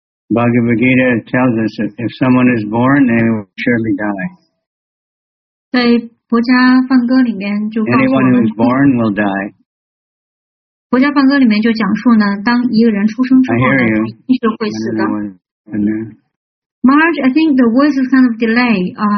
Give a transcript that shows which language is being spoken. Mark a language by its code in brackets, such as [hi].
[en] Bhagavad Gita tells us that if someone is born, they will surely die. [zh] 对。国家梵歌里面就告诉我们 [en] Anyone who is born will die. [zh] 国家梵歌里面就讲述呢，当一个人出生之后呢，必须会死的。 [en] Marge, I think the voice is kind of delay.